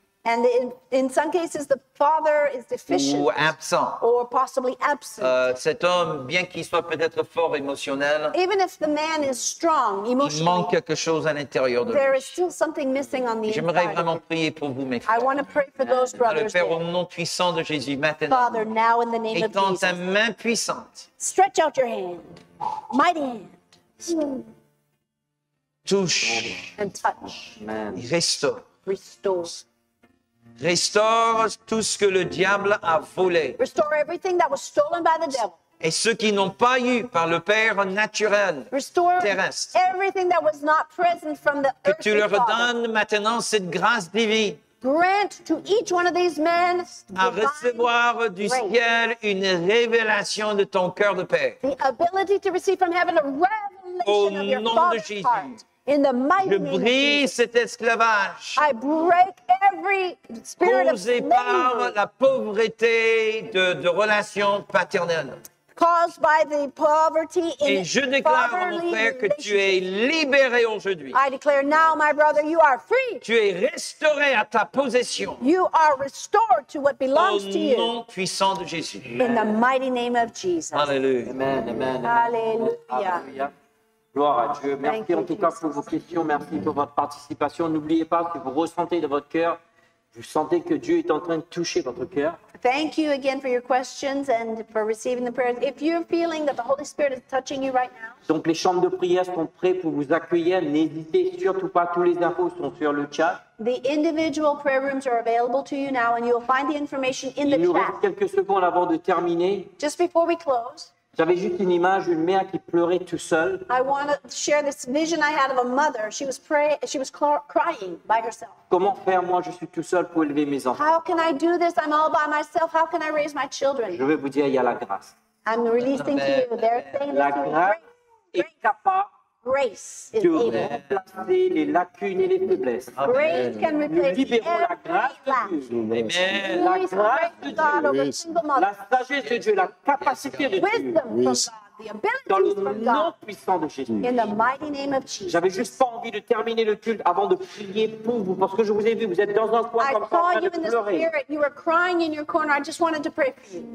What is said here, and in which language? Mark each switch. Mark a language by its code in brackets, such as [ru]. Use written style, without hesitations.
[en] And in some cases, the father is deficient. [fr] Ou absent. [en] Or possibly absent. [fr] Cet homme, bien qu'il soit peut-être fort émotionnel, [en] even if the man is strong emotionally, [fr] il manque quelque chose à l'intérieur de lui. [en] There is still something missing on the inside. [fr] J'aimerais vraiment prier pour vous, mes frères. [en] I want to pray for those brothers. [fr] Le Père, au nom puissant de Jésus, maintenant. [en] Father, now in the name of Jesus. [fr] Étends ta main puissante. [en] Stretch out your hand. Mighty hand. [fr] Touche. [en] And touch. Amen. Restore. Restore. [fr] Restaure tout ce que le diable a volé. [en] Restore everything that was stolen by the devil. [fr] Et ce qui n'ont pas eu par le Père naturel, [en] restore [fr] terrestre. [en] Everything that was not present from the [fr] que tu leur donnes maintenant cette grâce divine. [en] Grant to each one of these men [fr] à recevoir du ciel une révélation de ton cœur de Père. [en] The ability to receive from heaven a revelation [fr] au [en] of your father's heart. In the mighty [fr] je brise cet esclavage [en] I break every spirit [fr] causé [en] of [fr] par la pauvreté de relations paternelles. [en] Caused by the poverty in [fr] et je déclare, mon Père, que tu es libéré aujourd'hui. [en] I declare now, my brother, you are free. [fr] Tu es restauré à ta possession. [en] You are restored to what belongs to you. [fr] Au nom puissant de Jésus. [en] In the mighty name of Jesus. [fr] Alléluia. Amen, amen. Alléluia. Gloire à Dieu. Merci en tout cas pour vos questions. Merci pour votre participation. N'oubliez pas que vous ressentez de votre cœur. Vous sentez que Dieu est en train de toucher votre cœur. [en] Thank you again for your questions and for receiving the prayers. If you're feeling that the Holy Spirit is touching you right now. [fr] Donc les chambres de prière sont prêtes pour vous accueillir. N'hésitez surtout pas. Tous les infos sont sur le chat. [en] The individual prayer rooms are available to you now and you'll find the information in the chat. [fr] Il nous reste quelques secondes avant de terminer. [en] Just before we close. [fr] J'avais juste une image d'une mère qui pleurait tout seule. [en] I want to share this vision I had of a mother. She was crying by herself. [fr] Comment faire moi, je suis tout seul pour élever mes enfants? [en] How can I do this? I'm all by myself. How can I raise my children? [fr] Je vais vous dire, il y a la grâce. [en] I'm releasing to you. They're saying [fr] la grâce est capable. [en] Grace is [fr] de remplacer les lacunes et les faiblesses. [en] Grace can replace every lack. [fr] La grâce de Dieu. [en] Amen. [fr] La grâce de Dieu. La sagesse de Dieu, la capacité de Dieu. Dans le nom puissant de Jésus. [en] In the mighty name of Jesus. [fr] J'avais juste pas envie de terminer le culte avant de prier pour vous, parce que je vous ai vu, vous êtes dans un coin comme ça, en train de pleurer. [en] You were crying in your corner. I just wanted to pray for you.